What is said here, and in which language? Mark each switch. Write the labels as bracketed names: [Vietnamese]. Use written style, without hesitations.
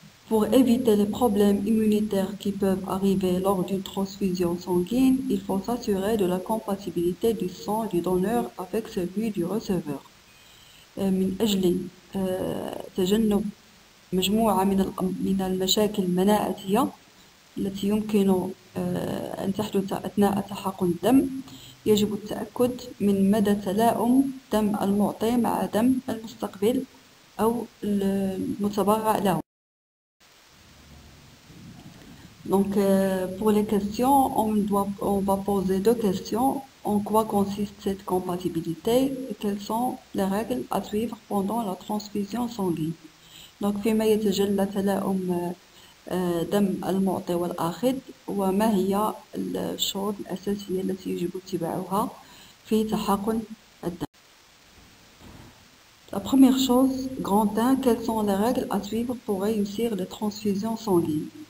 [French] Pour éviter les problèmes immunitaires qui peuvent arriver lors d'une transfusion sanguine, il faut s'assurer de la compatibilité du sang du donneur avec celui du receveur. [Arabic] من أجل تجنب مجموعة من المشاكل المناعتية التي يمكن أن تحدث أثناء تحقن الدم، يجب التأكد من مدى تلاؤم دم المعطي مع دم المستقبل أو المتبرع له. [French] Donc, pour les questions, on va poser deux questions. En quoi consiste cette compatibilité et quelles sont les règles à suivre pendant la transfusion sanguine? [Arabic] Donc, فيما يتجلى تلاؤم دم المعطي والآخذ وما هي الشروط الأساسية التي يجب اتباعها في تحقن الدم. [French] La première chose, grand 1, quelles sont les règles à suivre pour réussir les transfusions sanguines?